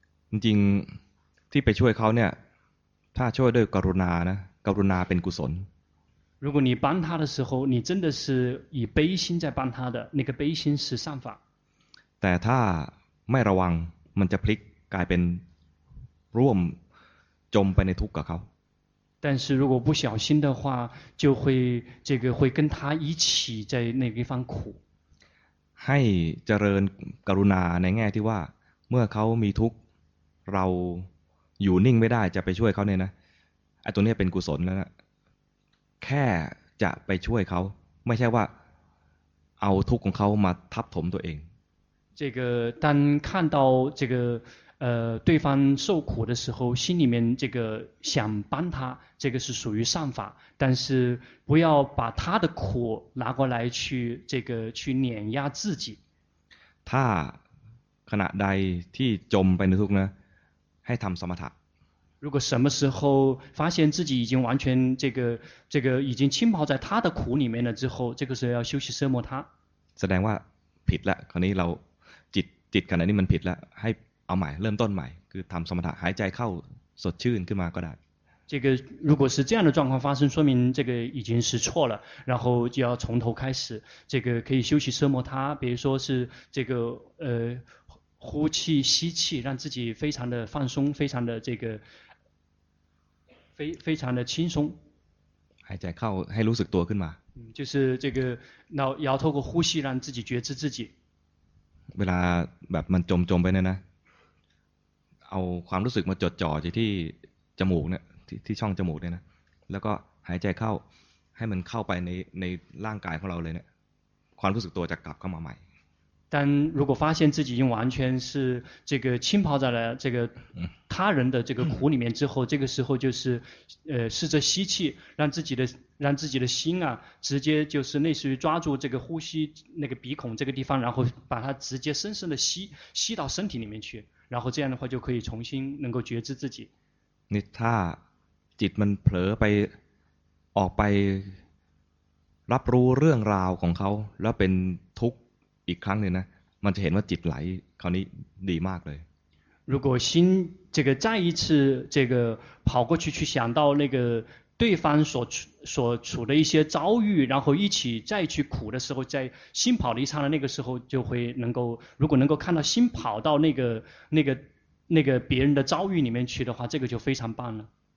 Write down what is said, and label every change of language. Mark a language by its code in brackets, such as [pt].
[th] จริงที่ไปช่วยเขาเนี่ยถ้าช่วยด้วยกรุณานะกรุณาเป็นกุศล [zh] 如果你帮他的时候你真的是以悲心在帮他的那个悲心是善法 [th] แต่ถ้าไม่ระวังมันจะพลิกกลายเป็นร่วมจมไปในทุกข์กับเขา [zh] 但是如果不小心的话就会这个会跟他一起在那个地方苦 [th] ให้เจริญกรุณาในแง่ที่ว่าเมื่อเขามีทุกข์เราอยู่นิ่งไม่ได้จะไปช่วยเขาเนี่ยนะไอ้ตัวนี้เป็นกุศลแล้วนะแค่จะไปช่วยเขาไม่ใช่ว่าเอาทุกข์ของเขามาทับถมตัวเอง [zh] 这个当看到这个对方受苦的时候心里面这个想帮他这个是属于善法但是不要把他的苦拿过来去这个去碾压自己 [th] ถ้าขณะใดที่จมไปในทุกข์นะให้ทำสมถะ [zh] 如果什么时候发现自己已经完全这个已经浸泡在他的苦里面了之后这个时候要休息奢摩他 [th] แสดงว่าผิดแล้วคราวนี้เราจิตขณะนี้มันผิดแล้วให้เอาใหม่เริ่มต้นใหม่คือทำสมถะหายใจเข้าสดชื่นขึ้นมาก็ได้ [zh] 这个如果是这样的状况发生说明这个已经是错了然后就要从头开始这个可以休息奢摩他比如说是这个呼气吸气让自己非常的放松非常的这个非常的轻松 [th] หายใจเข้าให้รู้สึกตัวขึ้นมา [zh] 就是这个要透过呼吸让自己觉知自己 [th] เวลาแบบมันจมไปเนี่ยนะเอาความรู้สึกมาจดจ่อที่จมูกเนี่ยที่ช่องจมูกเนี่ยนะแล้วก็หายใจเข้าให้มันเข้าไปในร่างกายของเราเลยเนี่ยความรู้สึกตัวจะกลับเข้ามาใหม่ [zh] 但如果发现自己已经完全是这个浸泡在了这个他人的这个苦里面之后，这个时候就是，试着吸气，让自己的心啊，直接就是类似于抓住这个呼吸那个鼻孔这个地方，然后把它直接深深的吸到身体里面去，然后这样的话就可以重新能够觉知自己。你他， [th] จิตมันเผลอไปออกไปรับรู้เรื่องราวของเขาแล้วเป็นทุกข์อีกครั้งหนึ่งนะมันจะเห็นว่าจิตไหลคราวนี้ดีมากเลย [zh] 如果心这个再一次这个跑过去去想到那个对方所处的一些遭遇然后一起再去苦的时候在心跑的一刹那那个时候就会能够如果能够看到心跑到那个别人的遭遇里面去的话这个就非常棒了